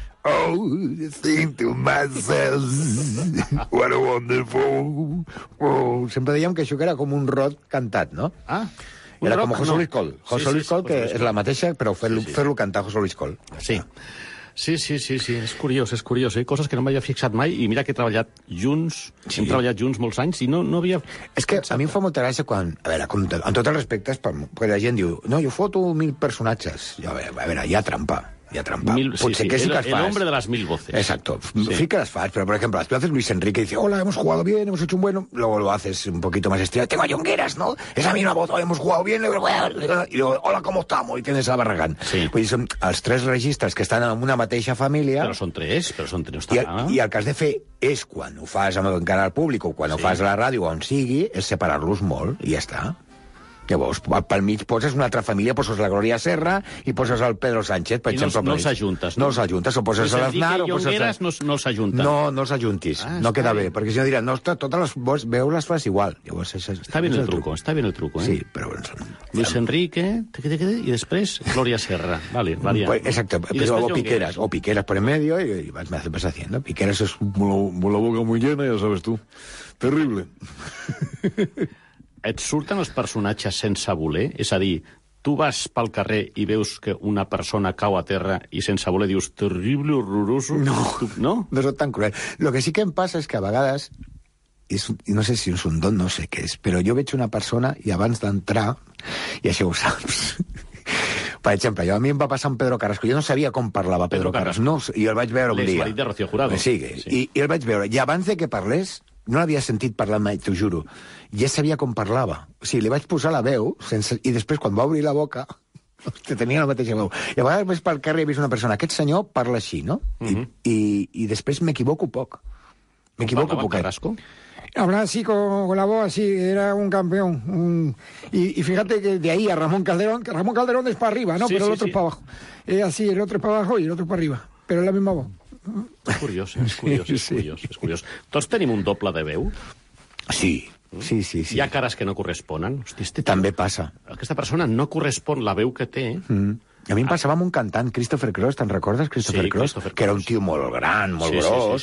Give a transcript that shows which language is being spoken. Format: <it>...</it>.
<en>Oh, I think to myself, what a wonderful world.</en> <ca>Sempre dèiem que això era com un rock cantat, no? Ah, era com José Luis Col. José Luis Col, que és la mateixa, però fer-lo cantar José Luis Col. Sí. Sí, és curiós, eh? Coses que no m'havia fixat mai, i mira que hem treballat junts molts anys, i no havia... És que a mi em fa molta gràcia quan... A veure, amb tot el respecte, perquè la gent diu, no, jo foto 1.000 personatges. A veure, hi ha trampa.</ca> <es>El hombre de las mil voces. Exacto. Sí. Sí que las</es> <ca>fas,</ca> <es>pero por ejemplo, tú haces Luis Enrique y dices, hola, hemos jugado bien, hemos hecho un bueno. Luego lo haces un poquito más estirado. Tengo a Jongueras, ¿no? Es la misma voz, hemos jugado bien. Y luego, hola, ¿cómo estamos? Y tienes a Barragán. Sí. Pues son los tres registros que están en una</es> <ca>mateixa</ca> <es>familia. Pero son tres.</es> <ca>Y el que has de fer és quan ho fas amb el canal públic o quan ho fas a la ràdio o on sigui, és separar-los molt i ja està. Llavors, pel mig poses una altra família, poses la Glòria Serra i poses el Pedro Sánchez, per exemple. No els ajuntes. No els ajuntes, o poses a l'Aznar... És a dir, que no els ajuntes. No, no els ajuntis, no queda bé, perquè si no diran, totes les veus les fas igual. Està bé el truco, està bé el truco. Sí, però... Luis Enrique, i després Glòria Serra. Exacte,</ca> <es>o Piqueras por en medio, i vas haciendo. Piqueras es la boca muy llena, ya sabes tú. Terrible.</es> <ca>Et surten els personatges sense voler? És a dir, tu vas pel carrer i veus que una persona cau a terra i sense voler dius,</ca> <es>terrible, horroroso...</es> <ca>No soc tan cruel. Lo que sí que em passa és que a vegades, i no sé si és un don, no sé què és, però jo veig una persona i abans d'entrar, i això ho saps... Per exemple, a mi em va passar amb Pedro Carrasco. Jo no sabia com parlava Pedro Carrasco. No, i el vaig veure un dia. L'esmarit de Rocío Jurado. I el vaig veure. I abans de que parlés... No l'havia sentit parlar mai, t'ho juro. Ja sabia com parlava. O sigui, li vaig posar la veu, i després, quan va obrir la boca, tenia la mateixa veu. I a vegades, més pel carrer, he vist una persona. Aquest senyor parla així, no? Uh-huh. I després m'equivoco poc. M'equivoco poc. Carrasco?</ca> <es>Hablaba así con la voz, así, era un campeón. Y fíjate que de ahí a Ramón Calderón, que Ramón Calderón es para arriba, ¿no? Sí, pero el otro es para abajo. Es así, el otro es para abajo y el otro para arriba. Pero es la misma voz.</es> <ca>És curiós. Tots tenim un doble de veu? Sí. Sí. Hi ha cares que no corresponen? També passa. Aquesta persona no correspon la veu que té. A mi em passava amb un cantant, Christopher Cross, te'n recordes, Christopher Cross? Que era un tio molt gran, molt gros.</ca>